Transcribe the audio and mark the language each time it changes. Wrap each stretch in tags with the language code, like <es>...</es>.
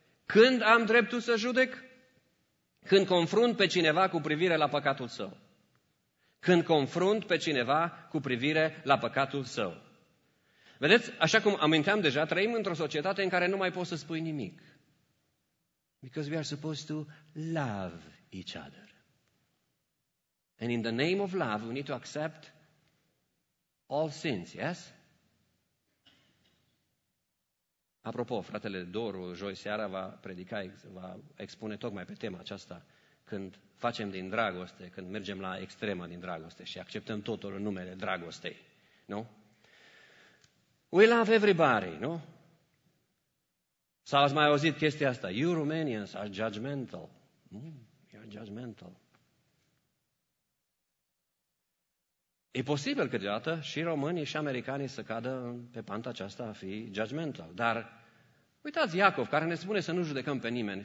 <ro>Când am dreptul să judec? Când confrunt pe cineva cu privire la păcatul său. Când confrunt pe cineva cu privire la păcatul său. Vedeți, așa cum aminteam deja, trăim într-o societate în care nu mai poți să spui nimic.</ro> <en>Because we are supposed to love each other. And in the name of love, we need to accept all sins, yes?</en> <ro>Apropo, fratele Doru, joi seara, va predica, va expune tocmai pe tema aceasta, când facem din dragoste, când mergem la extrema din dragoste și acceptăm totul în numele dragostei, nu?</ro> <en>We love everybody,</en> <ro>nu? Sau ați mai auzit chestia asta?</ro> <en>You Romanians are judgmental. You are judgmental.</en> <ro>E posibil câteodată și românii și americanii să cadă pe panta aceasta a fi judgmental. Dar uitați Iacov, care ne spune să nu judecăm pe nimeni.</ro>